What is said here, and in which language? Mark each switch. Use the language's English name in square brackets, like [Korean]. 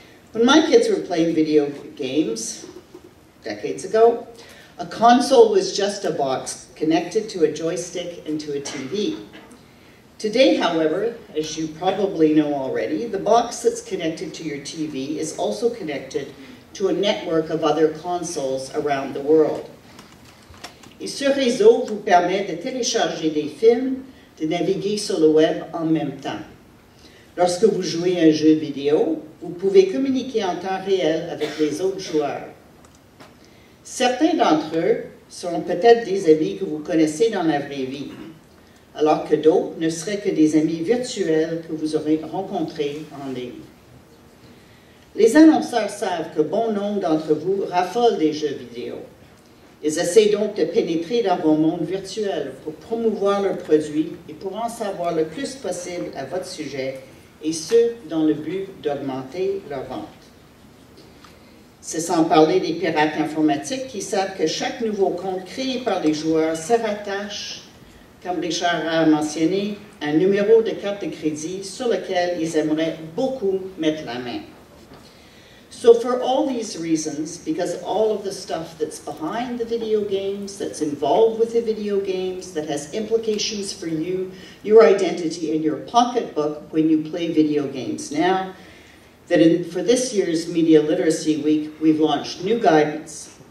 [English] When my kids were playing video games decades ago, a console was just a box connected to a joystick and to a TV. Today, however, as you probably know already, the box that's connected to your TV is also connected to a network of other consoles around the world. [French] Et ce réseau vous permet de télécharger des films, de naviguer sur le web en même temps. Lorsque vous jouez un jeu vidéo, vous pouvez communiquer en temps réel avec les autres joueurs. Certains d'entre eux seront peut-être des amis que vous connaissez dans la vraie vie, alors que d'autres ne seraient que des amis virtuels que vous aurez rencontrés en ligne. Les annonceurs savent que bon nombre d'entre vous raffolent des jeux vidéo. Ils essaient donc de pénétrer dans vos mondes virtuels pour promouvoir leurs produits et pour en savoir le plus possible à votre sujet, et ce, dans le but d'augmenter leurs ventes. C'est sans parler des pirates informatiques qui savent que chaque nouveau compte créé par les joueurs se rattache, comme Richard a mentionné, à un numéro de carte de crédit sur lequel ils aimeraient beaucoup mettre la main. [English] So for all these reasons, because all of the stuff that's behind the video games, that's involved with the video games, that has implications for you, your identity, and your pocketbook when you play video games now, that for this year's Media Literacy Week, we've launched new guidance.